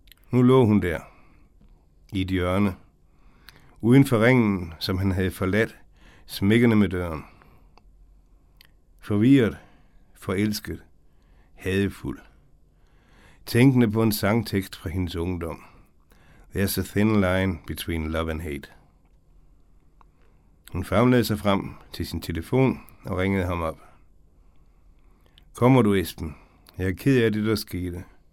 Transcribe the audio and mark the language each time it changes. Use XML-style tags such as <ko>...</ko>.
<da>Nu lå hun der, i et hjørne, uden for ringen, som han havde forladt, smækkende med døren. Forvirret, forelsket, hadefuld. Tænkende på en sangtekst fra hendes ungdom.</da> <en>There's a thin line between love and hate.</en> <da>Hun famlede sig frem til sin telefon og ringede ham op. Kommer du, Esben? Jeg er ked af det, der skete.</da>